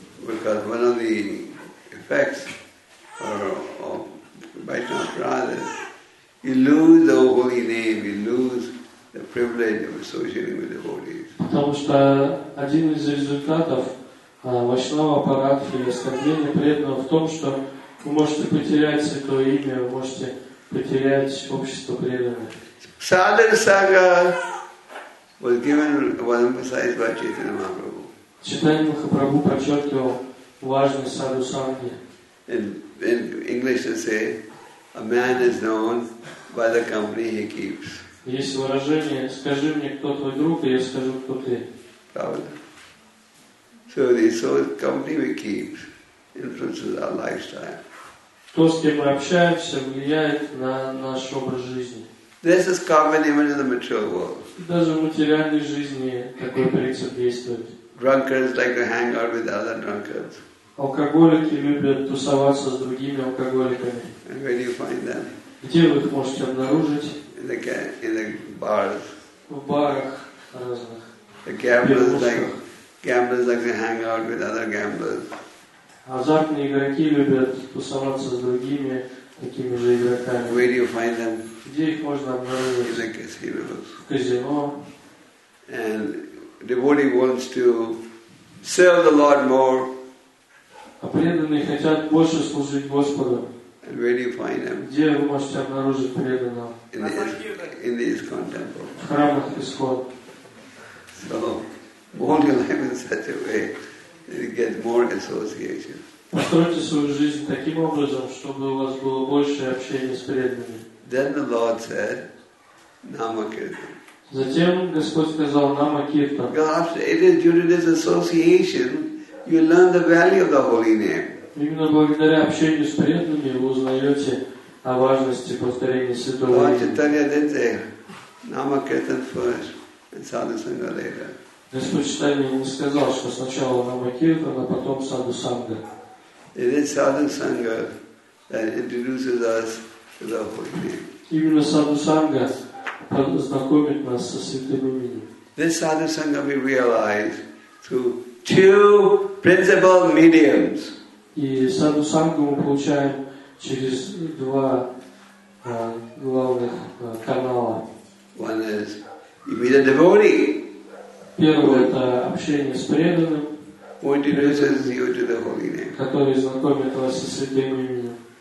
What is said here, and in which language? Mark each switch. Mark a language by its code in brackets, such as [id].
[en] Because one of the effects of Vaishnava Prasada is you lose the holy name, you lose the privilege of associating with devotees. [ru] Потому что один из результатов Вайшнава Парадхи и оскорбления преданного в том, что вы можете потерять святое имя, вы можете потерять общество преданных. [en] Sadhana Sangha was given one emphasis by Chaitanya Mahaprabhu. [ru] Chaitanya Mahaprabhu подчеркивал важность Sadhu Sangha. [en] In English they say, a man is known by the company he keeps. [ru] Есть выражение, скажи мне, кто твой друг, и я скажу, кто ты. Правда. [en] So the company we keep influences our lifestyle. [ru] То, с кем мы общаемся, влияет на наш образ жизни. [en] This is common even in the material world. [ru] Даже в материальной жизни такой принцип действует. [en] Drunkards like to hang out with other drunkards. [ru] Алкоголики любят тусоваться с другими алкоголиками. [en] And where do you find them? [ru] Где вы их можете обнаружить? [en] In the bars. [ru] В барах разных. [en] The gamblers like to hang out with other gamblers. [ru] Азартные игроки любят тусоваться с другими такими же игроками. [en] Where do you find them? [ru] Где их можно обнаружить? [en] In the [ru] казино. [en] And devotee wants to serve the Lord more. [ru] А преданные хотят больше служить Господу. [en] And where do you find them? [ru] Где вы можете обнаружить преданного? [en] In the ISKCON temple. [ru] В храмах ISKCON. [en] So, hold your life in such a way that you get more association. [ru] Постройте свою жизнь таким образом, чтобы у вас было больше общения с преданными. [en] Then the Lord said, Namakirtan. [ru] Затем Господь сказал Намакирта. [en] Because it is due to this association, you learn the value of the holy name. [ru] Именно благодаря общению с преданными вы узнаете о важности повторения святого имени. [en] Lord Chaitanya didn't say Namakirtan first and Sadhu Sangha later. [ru] Господь Chaitanya не сказал, что сначала Намакирта, а потом Sadhu Sangha. [en] It is Sadhu Sangha that introduces us to the holy name. [ru] Именно Sadhu Sangha знакомит нас со святым именем. [en] This Sadhu Sangha we realize through two principal mediums. [ru] И саду сангу мы получаем через два главных канала. [en] One is you meet a devotee. [ru] Первое это общение с преданным. [en] Who introduces you to the holy name. [ru] Который знакомит вас со святым именем.